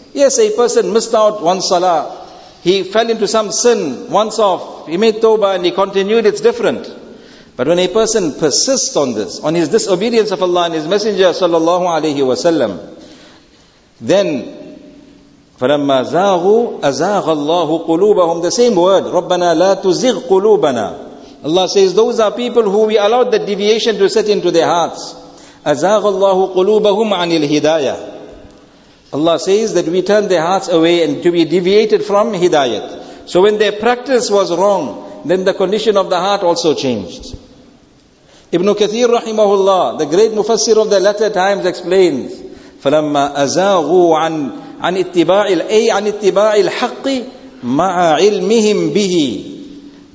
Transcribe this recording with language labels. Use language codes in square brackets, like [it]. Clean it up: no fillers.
[en] Yes, a person missed out one salah. He fell into some sin once off. He made tawbah and he continued. It's different. But when a person persists on this, on his disobedience of Allah and his messenger sallallahu alayhi wa sallam, then [ar] فَلَمَّا زَاغُوا أَزَاغَ اللَّهُ قُلُوبَهُمْ. [en] The same word, [ar] رَبَّنَا لَا تُزِغْ قُلُوبَنَا. [en] Allah says, those are people who we allowed the deviation to set into their hearts. [ar] أَزَاغَ اللَّهُ قُلُوبَهُمْ عَنِ الْهِدَايَةِ. [en] Allah says that we turn their hearts away and to be deviated from hidayat. So when their practice was wrong, then the condition of the heart also changed. Ibn Kathir rahimahullah, the great mufassir of the latter times, explains, [ar] فَلَمَّا أَزَاغُوا عَنْ اتِّبَاعِ الْأَيِّ عَنْ اتِّبَاعِ الْحَقِّ مَعَ عِلْمِهِمْ بِهِ.